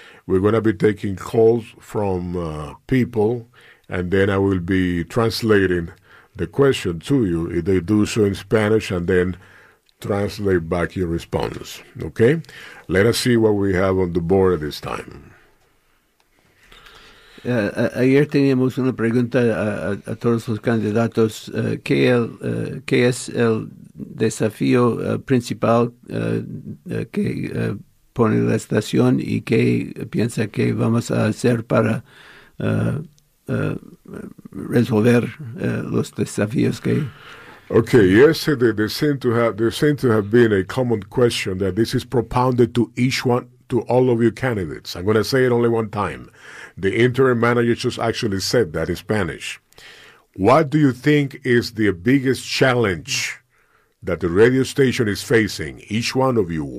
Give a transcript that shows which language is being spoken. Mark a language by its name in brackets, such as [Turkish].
[English] We're going to be taking calls from people, and then I will be translating the question to you. They do so in Spanish and then translate back your response. Okay? Let us see what we have on the board at this time. [Spanish] Ayer teníamos una pregunta a todos los candidatos. ¿Qué es el desafío principal que pone la estación y qué piensa que vamos a hacer para resolver los desafíos que... [English] Okay, yesterday there seemed to have been a common question that this is propounded to each one, to all of you candidates. I'm going to say it only one time. The interim manager just actually said that in Spanish. What do you think is the biggest challenge that the radio station is facing, each one of you?